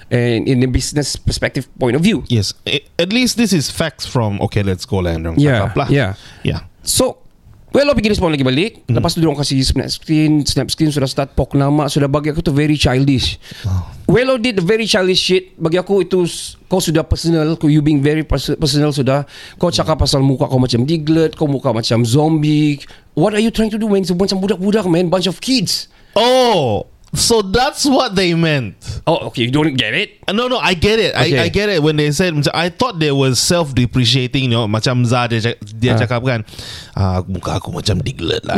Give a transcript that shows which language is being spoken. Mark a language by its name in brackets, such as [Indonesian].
[English] And in the business perspective point of view. Yes. At least this is facts from okay let's go lah diorang cakap lah. [Malay] Yeah. So Wello pergi respon lagi balik. Lepas tu diorang kasih snap screen sudah start pok nama. Sudah bagi aku tu very childish. [English] Wello did very childish shit. [Malay] Bagi aku itu kau sudah personal. You being very personal sudah. Kau cakap pasal muka kau macam diglet. [English] Kau muka macam zombie. What are you trying to do, man? Macam budak-budak, man. Bunch of kids. Oh, so that's what they meant. Oh, okay. You don't get it? No. I get it. Okay. I get it when they said, I thought they were self-depreciating, you know, macam Zah dia cakap kan, muka aku macam diglet lah.